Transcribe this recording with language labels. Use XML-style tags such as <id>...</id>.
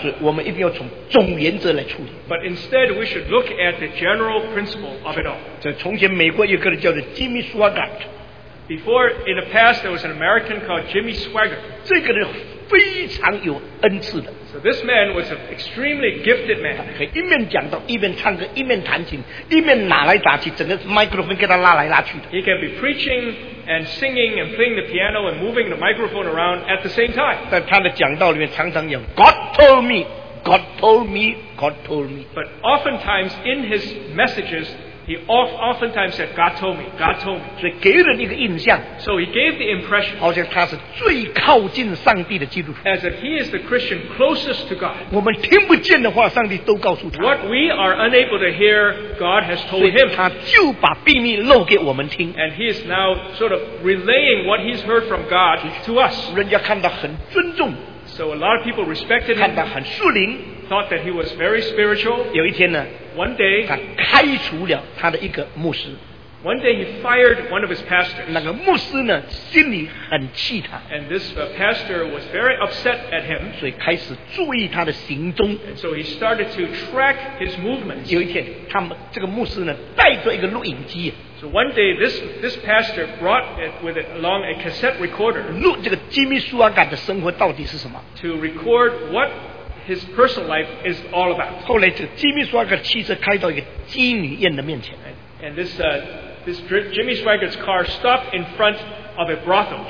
<zh>是我们一定要从总原则来处理。</zh> <en>But instead, we should look at the general principle of it all.</en> <zh>在从前美国有个人叫做 Jimmy Swaggart。</zh> <en>Before, in the past, there was an American called Jimmy Swaggart.</en> <zh>这个人非常有恩赐的。</zh> <en>So this man was an extremely gifted man.</en> <zh>他可以一面讲到，一边唱歌，一边弹琴，一面拿来打去，整个microphone给他拉来拉去的。</zh> <en>He can be preaching and singing and playing the piano and moving the microphone around at the same time.</en> <zh>但他的讲道里面常常有</zh> <en>God told me, God told me, God told me. But oftentimes in his messages,He oftentimes said, God told me, God told me.</en> <zh>所以给人一个印象。</zh> <en>So he gave the impression.</en> <zh>好像他是最靠近上帝的基督徒。</zh> <en>As if he is the Christian closest to God.</en> <zh>我们听不见的话，上帝都告诉他。</zh> <en>What we are unable to hear, God has told him.</en> <zh>所以他就把秘密漏给我们听。</zh> <en>And he is now sort of relaying what he's heard from God to us.</en> <zh>人家看到很尊重。</zh> <en>So a lot of people respected him.</en> <zh>看到很属灵。</zh> <en>Thought that he was very spiritual.</en> <zh>有一天呢。</zh> <en>One day,</en> <zh>他开除了他的一个牧师。</zh> <en>One day he fired one of his pastors.</en> <zh>那个牧师呢，心里很气他。</zh> <en>And this pastor was very upset at him.</en> <zh>所以开始注意他的行踪。</zh> <en>And so he started to track his movements.</en> <zh>有一天，他们这个牧师呢，带着一个录影机。</zh> <en>So one day this pastor brought it with it along a cassette recorder.</en> <zh>录这个基米苏阿嘎的生活到底是什么</zh> <en>？To record what. His personal life is all about.</en> <zh>后来，这吉米·斯瓦格汽车开到一个妓女院的面前。</zh> <en>And this Jimmy Swaggart's car stopped in front of a brothel.</en>